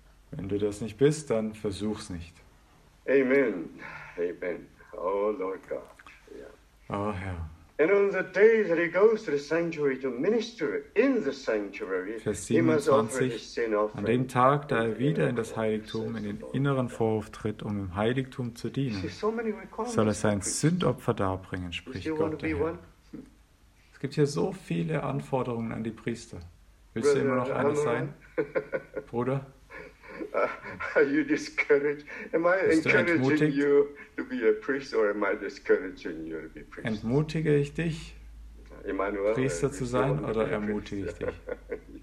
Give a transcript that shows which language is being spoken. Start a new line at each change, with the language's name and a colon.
German: Wenn du das nicht bist, dann versuch's nicht.
English: Amen. Amen. Oh Lord God.
German: Oh Herr.
English: And on the day that he goes to the sanctuary to minister in the sanctuary,
German: Vers 27,
English: he must offer his sin offering.
German: An dem Tag, da er wieder in das Heiligtum, in den inneren Vorhof tritt, um im Heiligtum zu dienen, soll er sein Sündopfer darbringen, spricht Gott der Herr. Es gibt hier so viele Anforderungen an die Priester. Willst du immer noch einer sein, Bruder?
English: Are you discouraged? Am I encouraging you to be a priest, or am I discouraging you to be a priest?
German: Entmutige ich dich, Emmanuel, Priester zu sein, oder ermutige ich dich?